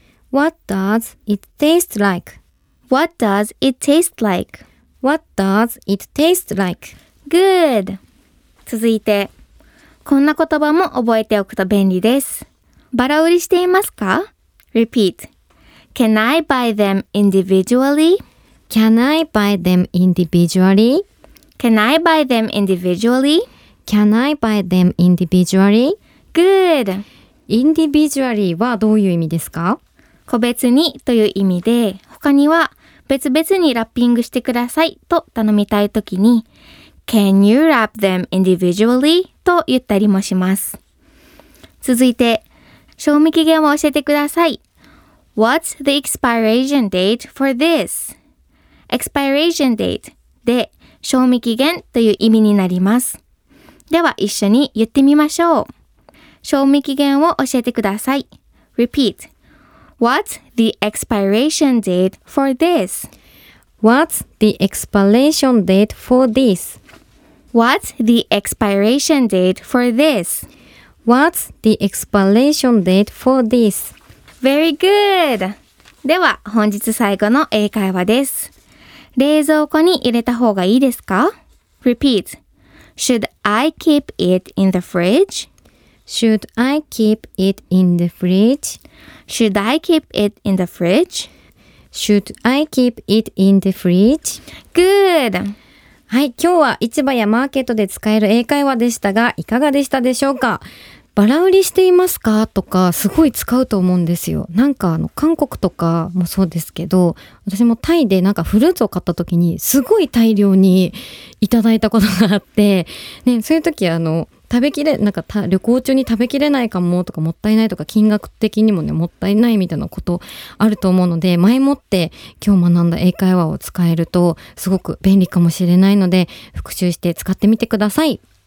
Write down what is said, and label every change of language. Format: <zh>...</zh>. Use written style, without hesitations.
<en>What does it taste like? What does it taste like? What does it taste like? Good.</en> <ja>続いて、こんな言葉も覚えておくと便利です。バラ売りしていますか？</ja> <en>Repeat. Can I buy them individually? Can I buy them individually? Can I buy them individually? Can I buy them individually? Good!</en> <ja>Individually はどういう意味ですか？個別にという意味で、他には別々にラッピングしてくださいと頼みたいときに、</ja> <en>Can you wrap them individually?</en> <ja>と言ったりもします。続いて、賞味期限を教えてください。</ja> <en>What's the expiration date for this?</en> <ja>Expiration date で賞味期限という意味になります。では一緒に言ってみましょう。賞味期限を教えてください。</ja> <en>Repeat. What's the expiration date for this? What's the expiration date for this? What's the expiration date for this? What's the expiration date for this? Very good!</en> <ja>では本日最後の英会話です。冷蔵庫に入れた方がいいですか？</ja> <en>Repeat. Should I keep it in the fridge? Should I keep it in the fridge? Should I keep it in the fridge? Should I keep it in the fridge? Good!</en> <ja>はい、今日は市場やマーケットで使える英会話でしたが、いかがでしたでしょうか？バラ売りしていますか？とかすごい使うと思うんですよ。なんか韓国とかもそうですけど、私もタイでなんかフルーツを買った時にすごい大量にいただいたことがあって、ね、そういう時食べきれ、なんか旅行中に食べきれないかもとか、もったいないとか、金額的にもね、もったいないみたいなことあると思うので、前もって今日学んだ英会話を使えるとすごく便利かもしれないので、復習して使ってみてください。</ja>